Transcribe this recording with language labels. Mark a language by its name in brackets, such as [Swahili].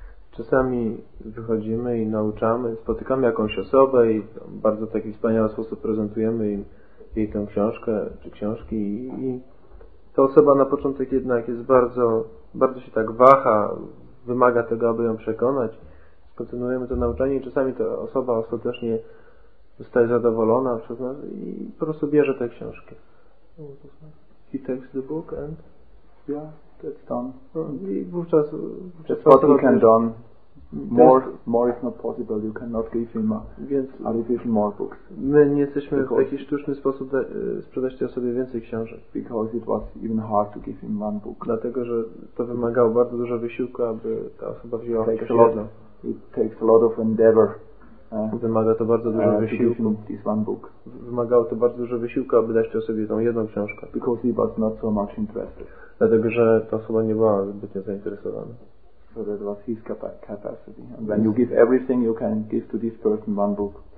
[Polish] Czasami wychodzimy i nauczamy, spotykamy jakąś osobę i bardzo w taki wspaniały sposób prezentujemy im jej tę książkę czy książki, i ta osoba na początek jednak jest bardzo, bardzo się tak waha, wymaga tego, aby ją przekonać. Kontynuujemy to nauczanie i czasami ta osoba ostatecznie zostaje zadowolona przez nas i po prostu bierze tę książkę. [English] He takes the book and yeah, that's done. [Polish] I wówczas [English] that's what he can do. More is not possible. You cannot give him a little more books. [Polish] My nie jesteśmy w jakiś sztuczny sposób sprzedać tej osobie więcej książek. [English] Because it was even hard to give him one book. [Polish] Dlatego, że to wymagało bardzo dużo wysiłku, aby ta osoba wzięła książkę. [English] It takes a lot of endeavor. [Polish] Wymaga to bardzo dużo wysiłku. [English] This one book. [Polish] Wymagało to bardzo dużo wysiłku, aby dać tej osobie tą jedną książkę. [English] Because he was not so much interested. [Polish] Dlatego, że ta osoba nie była zbytnio zainteresowana. [English] So that was his capacity. And when you give everything, you can give to this person one book.